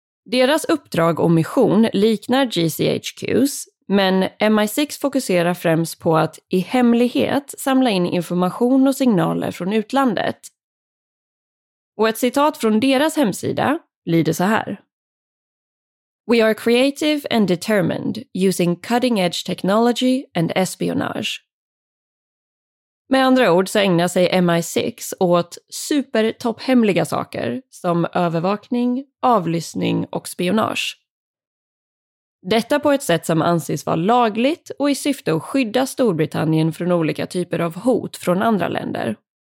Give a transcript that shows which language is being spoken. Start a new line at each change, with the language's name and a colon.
Swedish: Deras uppdrag och mission liknar GCHQs, men MI6 fokuserar främst på att i hemlighet samla in information och signaler från utlandet. Och ett citat från deras hemsida lyder så här.
English: We are creative and determined using cutting-edge technology and espionage.
Swedish: Med andra ord så ägnar sig MI6 åt supertopphemliga saker som övervakning, avlyssning och spionage. Detta på ett sätt som anses vara lagligt och i syfte att skydda Storbritannien från olika typer av hot från andra länder.